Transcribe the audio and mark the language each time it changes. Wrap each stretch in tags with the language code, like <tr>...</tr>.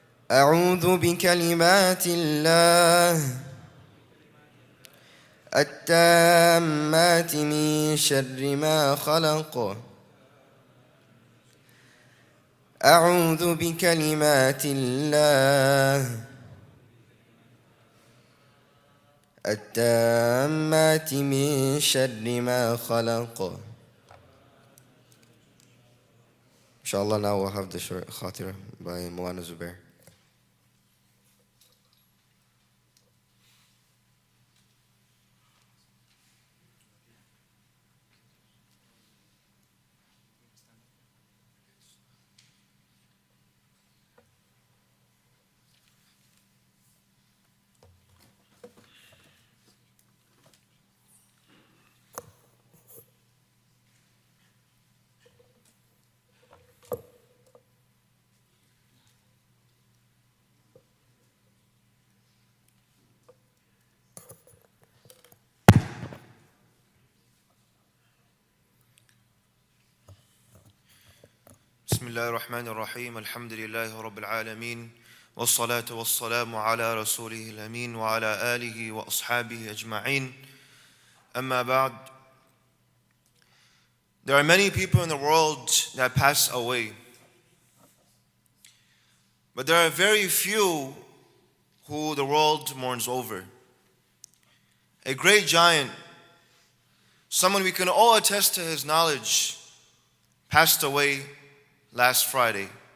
<ar>أعوذ بكلمات الله التامات من شر ما خلق أعوذ بكلمات الله التامات من شر ما خلق</ar> <en>إن شاء الله now we'll have the short khatira by Moana Zubair.</en> <ar>بسم الله الرحمن الرحيم الحمد لله رب العالمين والصلاة والسلام على رسوله الأمين وعلى آله وأصحابه أجمعين أما بعد.</ar> <en>There are many people in the world that pass away, but there are very few who the world mourns over. A great giant, someone we can all attest to his knowledge, passed away last Friday.</en>